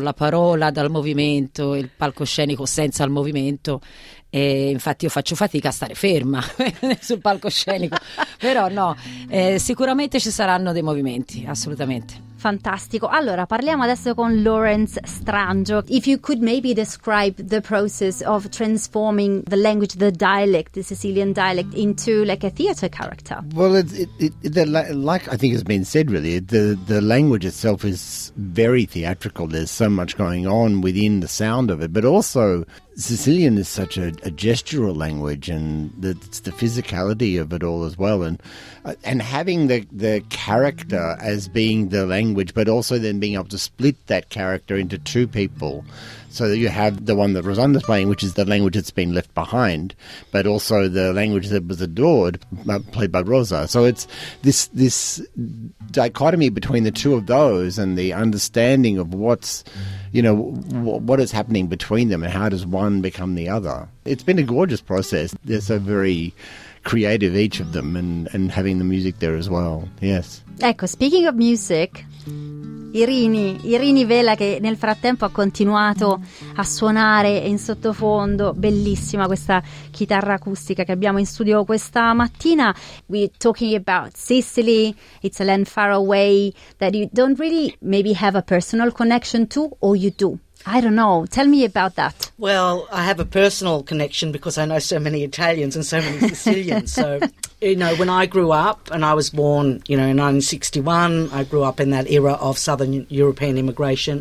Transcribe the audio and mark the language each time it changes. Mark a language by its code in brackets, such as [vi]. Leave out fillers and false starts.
[it] La parola dal movimento, il palcoscenico senza il movimento. E infatti io faccio fatica a stare ferma sul palcoscenico, però no, sicuramente ci saranno dei movimenti, assolutamente. Fantastico. Allora, parliamo adesso con Lawrence Strangio. [en] If you could maybe describe the process of transforming the language, the dialect, the Sicilian dialect, into like a theater character. Well, like I think has been said, really, the language itself is very theatrical. There's so much going on within the sound of it, but also Sicilian is such a gestural language, and it's the physicality of it all as well. And having the character as being the language, but also then being able to split that character into two people, so that you have the one that Rosanna's playing, which is the language that's been left behind, but also the language that was adored, played by Rosa. So it's this dichotomy between the two of those, and the understanding of what's, you know, what is happening between them, and how does one become the other. It's been a gorgeous process. They're so very creative, each of them, and having the music there as well. Yes. [it] Ecco, [en] speaking of music, [it] Irini Vela, che nel frattempo ha continuato a suonare in sottofondo, bellissima questa chitarra acustica che abbiamo in studio questa mattina. [en] We're talking about Sicily, it's a land far away that you don't really maybe have a personal connection to, or you do? I don't know. Tell me about that. Well, I have a personal connection because I know so many Italians and so many Sicilians. So, you know, when I grew up, and I was born, you know, in 1961, I grew up in that era of Southern European immigration.